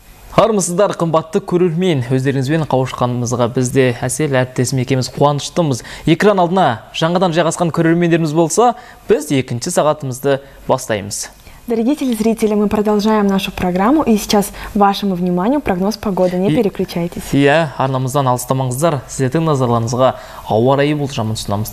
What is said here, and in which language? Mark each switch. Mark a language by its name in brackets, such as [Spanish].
[Kazakh] Армысыздар, қымбатты көрермен, өздеріңізбен қауышқанымызға бізде әсел әріптесім екеміз қуаныштымыз. Экран алдына жаңадан жайғасқан көрермендеріміз болса, біз екінші сағатымызды бастаймыз. [Russian] Дорогие телезрители, мы продолжаем нашу программу, и сейчас вашему вниманию прогноз погоды. Не переключайтесь. [Kazakh] Иә, арнамыздан алыстамаңыздар, сіздердің назарларыңызға ауа райы болжамын ұсынамыз.